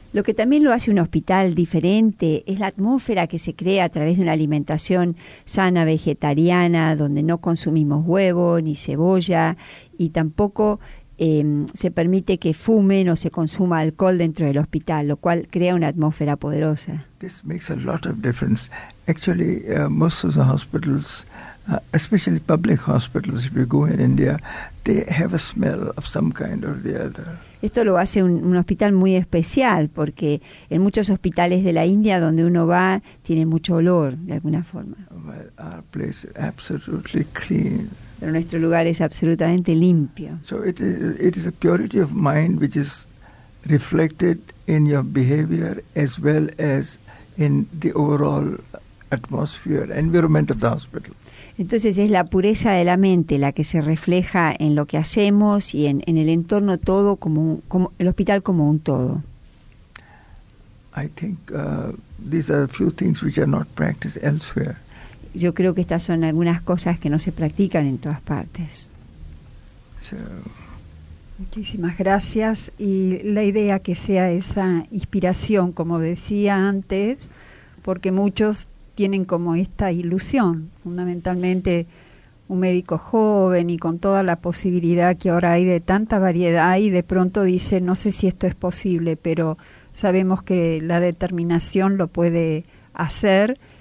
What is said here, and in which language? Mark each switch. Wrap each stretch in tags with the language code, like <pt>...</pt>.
<es>Lo que también lo hace un hospital diferente es la atmósfera que se crea a través de una alimentación sana, vegetariana, donde no consumimos huevo ni cebolla y tampoco se permite que fumen o se consuma alcohol dentro del hospital, lo cual crea una atmósfera poderosa.</es> <en>This makes a lot of difference. Actually, most of the hospitals, especially public hospitals, if you go in India, they have a smell of some kind or the other.</en> <es>Esto lo hace un hospital muy especial, porque en muchos hospitales de la India donde uno va, tiene mucho olor, de alguna forma.</es> <en>Well, our place is absolutely clean.</en> <es>Pero nuestro lugar es absolutamente limpio.</es> <en>So it is a purity of mind which is reflected in your behavior as well as in the overall atmosphere, environment of the hospital.</en> <es>Entonces es la pureza de la mente la que se refleja en lo que hacemos y en el entorno todo, como el hospital como un todo.</es> <en>I think these are a few things which are not practiced elsewhere.</en> <es>Yo creo que estas son algunas cosas que no se practican en todas partes.</es> <en>So,</en> <es>muchísimas gracias. Y la idea que sea esa inspiración, como decía antes, porque muchos tienen como esta ilusión, fundamentalmente un médico joven y con toda la posibilidad que ahora hay de tanta variedad, y de pronto dice, no sé si esto es posible, pero sabemos que la determinación lo puede hacer,</es>